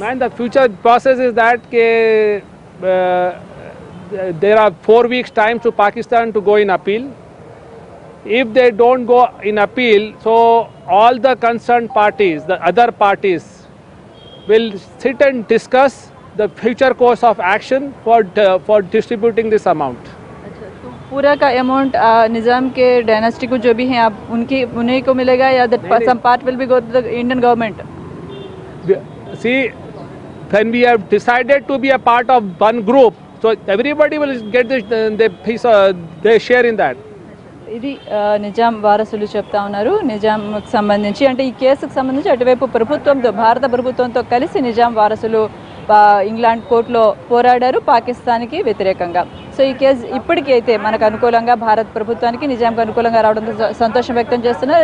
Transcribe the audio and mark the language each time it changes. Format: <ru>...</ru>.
<en>Man, the future process is that there are 4 weeks time to Pakistan to go in appeal. If they don't go in appeal, so all the concerned parties, the other parties, will sit and discuss the future course of action for distributing this amount.</en> <hi>अच्छा, तो पूरा का amount निजाम के dynasty को जो भी हैं आप उनकी उन्हें को मिलेगा या</hi> <en>That some part will be go to the Indian government? See, when we have decided to be a part of one group, so everybody will get the share in that.</en> <te>ఇది నిజాం వారసులు చెప్తా ఉన్నారు. నిజాంకు సంబంధించి అంటే ఈ కేసుకు సంబంధించి అటువైపు ప్రభుత్వంతో భారత ప్రభుత్వంతో కలిసి నిజాం వారసులు ఇంగ్లాండ్ కోర్టులో పోరాడారు పాకిస్తాన్కి వ్యతిరేకంగా. సో ఈ కేసు ఇప్పటికైతే మనకు అనుకూలంగా భారత ప్రభుత్వానికి నిజాంకు అనుకూలంగా రావడంతో సంతోషం వ్యక్తం చేస్తున్నారు.</te>